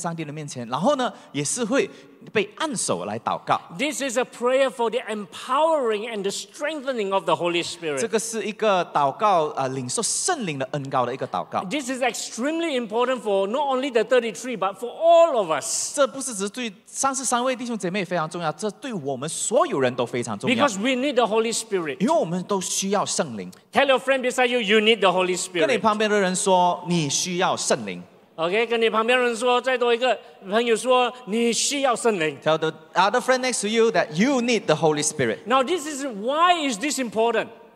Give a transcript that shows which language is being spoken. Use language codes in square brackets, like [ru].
[zh] 今天晚上你会在上帝的面前，站在上帝的面前，然后呢，也是会。 [en] This is a prayer for the empowering and the strengthening of the Holy Spirit. [zh] 这个是一个祷告, 领受圣灵的恩膏的一个祷告。 [en] This is extremely important for not only the 33, but for all of us. [zh] 这不是只对33位弟兄姐妹非常重要, 这对我们所有人都非常重要。 [en] Because we need the Holy Spirit. [zh] 因为我们都需要圣灵。 [en] Tell your friend beside you, you need the Holy Spirit. [zh] 跟你旁边的人说, 你需要圣灵。 Okay, 跟你旁边人说，再多一个朋友说，你需要圣灵。 [en] Tell the other friend next to you that you need the Holy Spirit. Now, this is why is this important?